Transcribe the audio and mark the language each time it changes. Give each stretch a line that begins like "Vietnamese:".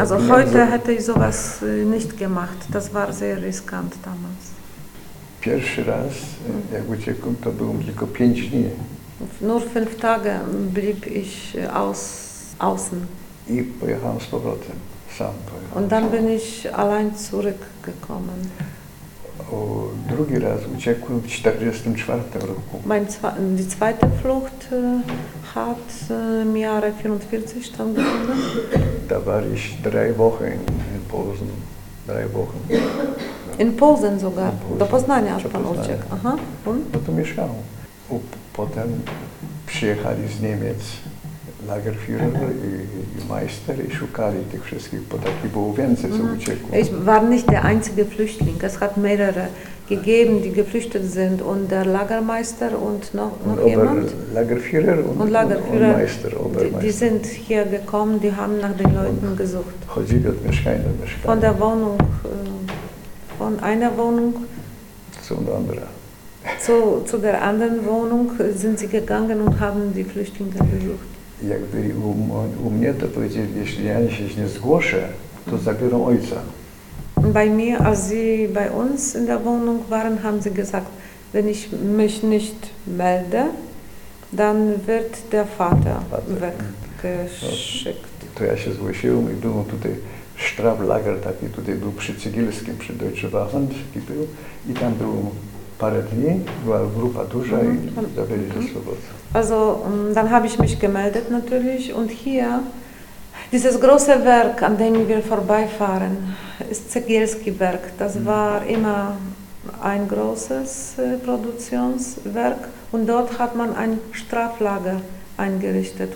German: Also heute hätte ich sowas nicht gemacht. Das war sehr riskant damals.
Polish: Pierwszy raz, jak uciekłem, to było tylko 5 dni.
German: Nur 5 Tage blieb ich außen.
Polish: I pojechałem z powrotem. Sam pojechałem.
German: Und dann bin ich allein zurückgekommen.
Polish: O drugi raz uciekłem w 1944 roku.
German: Die zweite Flucht hat im Jahre 1944 stattgefunden. Da war ich 3 Wochen in Posen. 3 Wochen. In Posen sogar. In Posen.
Polish: Do Poznania aż pan uciekł. Aha.
German: Und?
Polish: No to mieszkało. Potem przyjechali z Niemiec Lagerführer i Meister i szukali tych wszystkich, bo takich było więcej, co uciekło.
German: Ich war nicht der einzige Flüchtling. Es hat mehrere gegeben, die geflüchtet sind. Und der Lagermeister und noch jemand? Lagerführer und Lagerführer, und Meister, Obermeister. Die sind hier gekommen, die haben nach den Leuten gesucht.
Polish: Chodzili od mieszkania do mieszkania.
German: Von der Wohnung, von einer Wohnung zu der anderen. Zu der anderen Wohnung sind sie gegangen und haben die Flüchtlinge gesucht.
Polish: Jak byli u mnie, to powiedzieli, jeśli ja się nie zgłoszę, to zabiorą ojca.
German: Bei mir, als sie bei uns in der Wohnung waren, haben sie gesagt, wenn ich mich nicht melde, dann wird der Vater weggeschickt.
Polish: To ja się zgłosiłem i byłem tutaj Straflager, taki tutaj był przy Cygielskim, przy Deutsche Waffen, taki był, i tam był parę dni, była grupa duża i zabili ze swobodą.
German: Also, dann habe ich mich gemeldet natürlich und hier, dieses große Werk, an dem wir vorbeifahren, ist Cegielski-Werk. Das war immer ein großes Produktionswerk und dort hat man ein Straflager eingerichtet.